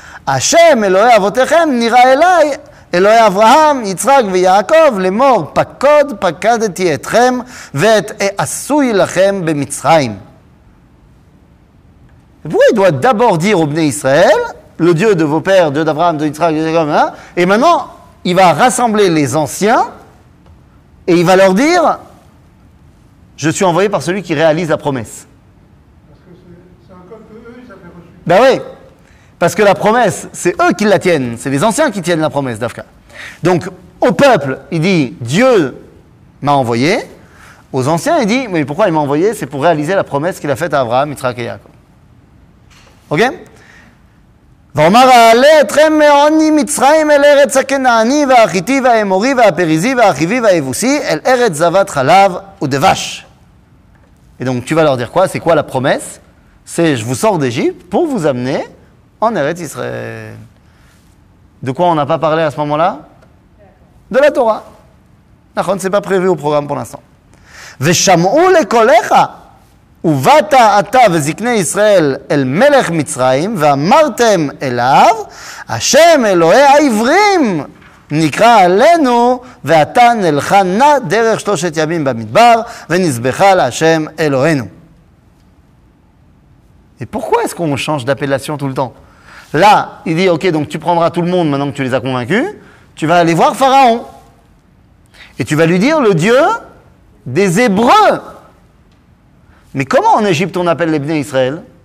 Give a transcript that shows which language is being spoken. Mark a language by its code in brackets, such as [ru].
[he] השם אלוהי אבותיכם נראה אליי, אלוהי אברהם, יצחק ויעקב, למור, פקוד פקדתי אתכם ואת עשוי לכם במצרים. [fr] Vous devez d'abord dire aux bénis Israël, le Dieu de vos pères, Dieu d'Abraham, de Yitzhak, de Jacob, hein? Et maintenant, il va rassembler les anciens et il va leur dire, je suis envoyé par celui qui réalise la promesse. Parce que c'est un code que eux, ils avaient reçu. Parce que la promesse, c'est eux qui la tiennent, c'est les anciens qui tiennent la promesse, Dafka. Donc, au peuple, il dit, Dieu m'a envoyé. Aux anciens, il dit, mais pourquoi il m'a envoyé? C'est pour réaliser la promesse qu'il a faite à Abraham, Yitzhak et Jacob. OK? [he] ואמר עלי אתכם מעוני מצרים אל ארץ הכנעני והחיתי והאמורי והפריזי והחיבי והיבוסי אל ארץ זבת חלב ודבש. [fr] Et donc tu vas leur dire quoi? C'est quoi la promesse? C'est je vous sors d'Égypte pour vous amener en Eretz Israël. De quoi on n'a pas parlé à ce moment-là? De la Torah. [he] נכון, [fr] c'est pas prévu au programme pour l'instant. [he] ושמעו לקולך ובאת אתה וזקני ישראל אל מלך מצרים ואמרתם אליו השם אלוהי העברים נקרא עלינו ואתה נלכה נע דרך שלושת ימים במדבר ונזבחה להשם אלוהינו. [fr] Et pourquoi est-ce qu'on change d'appellation tout le temps? Là, il dit, OK, donc tu prendras tout le monde maintenant que tu les as convaincus, tu vas aller voir Pharaon. Et tu vas lui dire le Dieu des Hébreux. Mais comment en Égypte on appelle les Bnei Israël?